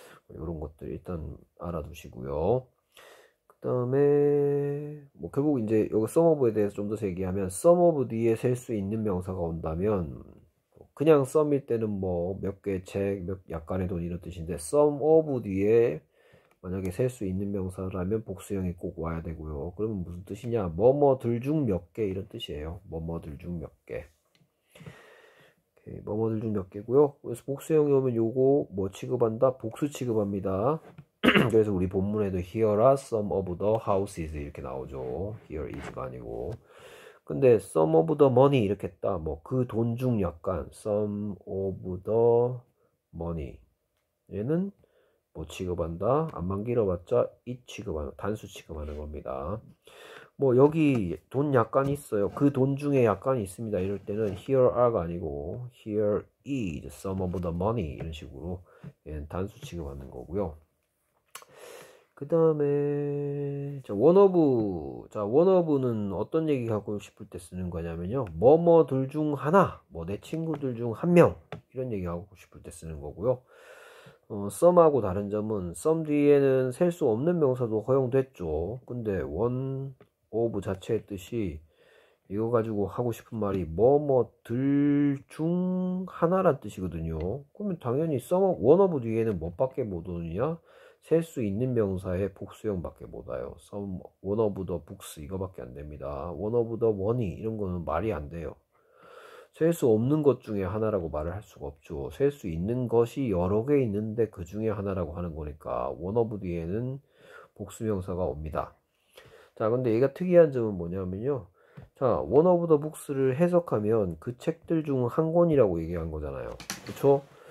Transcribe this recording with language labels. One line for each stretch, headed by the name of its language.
Korean: 이런 것들 일단 알아두시고요. 그다음에 뭐 결국 이제 여기 sum of에 대해서 좀더 얘기하면, sum of 뒤에 셀수 있는 명사가 온다면, 그냥 sum일 때는 뭐몇개 책, 몇 약간의 돈 이런 뜻인데, sum of 뒤에 만약에 셀수 있는 명사라면 복수형이 꼭 와야 되고요. 그러면 무슨 뜻이냐? 뭐뭐들 중몇개 이런 뜻이에요. 뭐뭐들 중몇 개. 뭐뭐들 중몇 개고요. 그래서 복수형이 오면 요거 뭐 취급한다? 복수 취급합니다. 그래서 우리 본문에도
English: here are some of the houses
Korean: 이렇게 나오죠.
English: here is
Korean: 가 아니고. 근데
English: some of the money
Korean: 이렇게 했다. 뭐그돈중 약간 some of the money. 얘는 뭐 취급한다? 안만 길어봤자 it 취급하는, 단수 취급하는 겁니다. 뭐 여기 돈 약간 있어요, 그돈 중에 약간 있습니다 이럴 때는 here are가 아니고
English: here is some of the money
Korean: 이런 식으로 단수 취급하는 거고요. 그 다음에 자 one of, 자 one of는 어떤 얘기 하고 싶을 때 쓰는 거냐면요, 뭐뭐들 중 하나, 뭐내 친구들 중한명 이런 얘기 하고 싶을 때 쓰는 거고요. some하고 다른 점은 some 뒤에는 셀수 없는 명사도 허용됐죠. 근데 one of 자체의 뜻이 이거 가지고 하고 싶은 말이 뭐뭐들 중 하나란 뜻이거든요. 그러면 당연히 some of, one of 뒤에는 뭐밖에 못 오느냐? 셀수 있는 명사의 복수형밖에 못 와요. some,
English: one of the books
Korean: 이거밖에 안 됩니다.
English: one of the money
Korean: 이런 거는 말이 안 돼요. 셀수 없는 것 중에 하나라고 말을 할 수가 없죠. 셀수 있는 것이 여러 개 있는데 그 중에 하나라고 하는 거니까 one of 뒤에는 복수 명사가 옵니다. 자, 근데 얘가 특이한 점은 뭐냐면요, 자,
English: one of the books
Korean: 를 해석하면 그 책들 중한 권이라고 얘기한 거잖아요. 그쵸?